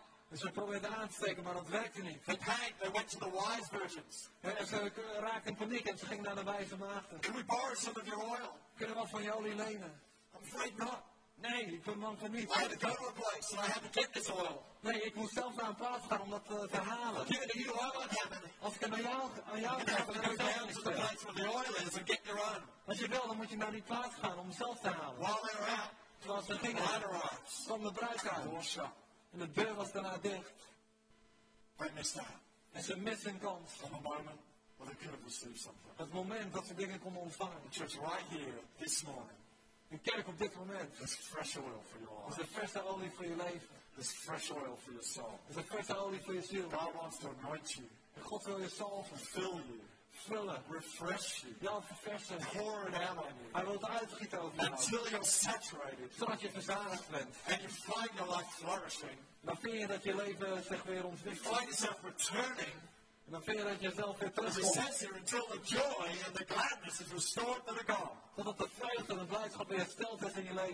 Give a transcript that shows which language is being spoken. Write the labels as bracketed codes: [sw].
[nl] En ze probeerden aan te steken, maar dat werkte niet. [en] They panicked, they went to the wise virgins. [nl] En ze raakten in paniek en ze gingen naar de wijze maagden. [en] Can we borrow some of your oil? [nl] Kunnen we wat van je olie lenen? [en] I'm afraid not. [nl] Nee, ik kon bang van niet. [en] I had to go to a place and I had to get this oil. [nl] Nee, ik moest zelf naar een plaats gaan om dat te halen. Als ik het aan jou heb, dan moet je naar de plaats waar de oil is en [en] get your own. [nl] Als je wil, dan moet je naar die plaats gaan om zelf te halen. [en] While they were out. [nl] Was de dingen van de bruidskamer en de deur was daarna dicht. [en] They missed out. [nl] En ze missen kans. [en] From a moment where they could have received something. [nl] Het moment dat ze dingen konden ontvangen. [en] The church right here this morning. [nl] Een kerk op dit moment. [en] There's fresh oil for your life. [nl] Is er verse olie voor je leven. [en] There's fresh oil for your soul. [nl] Is er verse olie voor je ziel. [en] God wants to anoint you. [nl] En God wil je zalven. [en] Fill you. [nl] Vullen. [en] Refresh you. [nl] Jou verversen. [en] Pour it out on you. [nl] Hij wil het uitgieten over jou. [en] Until you're saturated. [nl] Zodat je verzadigd bent. [en] And you find your life flourishing. [nl] Dan vind je dat je leven zich weer ontwikkelt. [en] You find yourself returning. [nl] En dan vind je dat je zelf weer terugkomt. [en] As it says here, until the joy and the gladness is restored to the God. [nl] Zodat de vreugde en de blijdschap weer hersteld is in je leven.